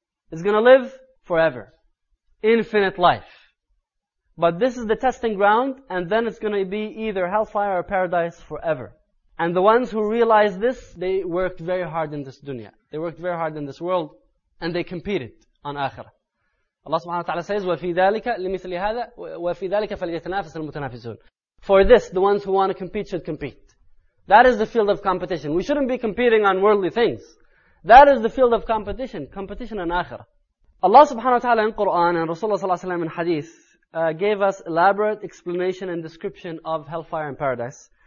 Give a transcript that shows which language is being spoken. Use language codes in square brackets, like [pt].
[en] It's going to live forever. Infinite life. But this is the testing ground, and then it's going to be either hellfire or paradise forever. And the ones who realize this, they worked very hard in this dunya. They worked very hard in this world, and they competed on akhirah. Allah subhanahu wa ta'ala says, [ar] وَفِي ذَلِكَ لِمِثْلِ هَذَا وَفِي ذَلِكَ فَلْيَتَنَافِسَ الْمُتَنَافِسُونَ. [en] For this, the ones who want to compete should compete. That is the field of competition. We shouldn't be competing on worldly things. That is the field of competition, competition on akhirah. Allah subhanahu wa ta'ala in Qur'an and Rasulullah sallallahu alayhi wa sallam in hadith gave us elaborate explanation and description of hellfire and paradise.